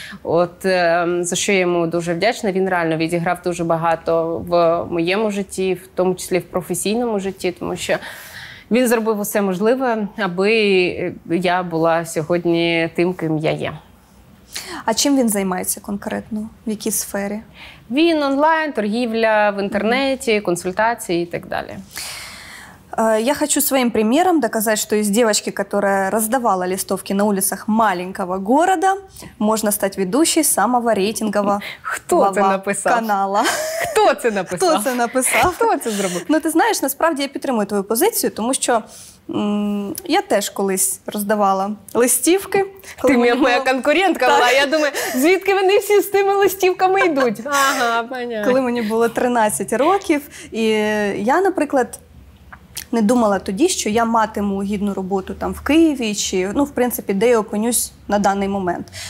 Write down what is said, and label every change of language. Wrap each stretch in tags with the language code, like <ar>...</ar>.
<uk>От, за що я йому дуже вдячна, він реально відіграв дуже багато в моєму житті, в тому числі в професійному житті, тому що він зробив усе можливе, аби я була сьогодні тим, ким я є. А чим він займається конкретно? В якій сфері? Він онлайн, торгівля в інтернеті, консультації і так далі.</uk> <ru>Я хочу своим примером доказать, что из девочки, которая раздавала листовки на улицах маленького города, можно стать ведущей самого рейтингового канала.</ru> <uk>Хто це написав? Хто це написав? Хто це написав? Хто це зробив? Ну, ти знаєш, насправді я підтримую твою позицію, тому що я теж колись роздавала листівки. Ти моя конкурентка була, я думаю, звідки вони всі з тими листівками йдуть?</uk> <ru>Ага, понятно.</ru> <uk>Коли мені було 13 років, і я, наприклад, не думала тоді, що я матиму гідну роботу там в Києві, чи, ну, в принципі, де я опинюсь на даний момент.</uk>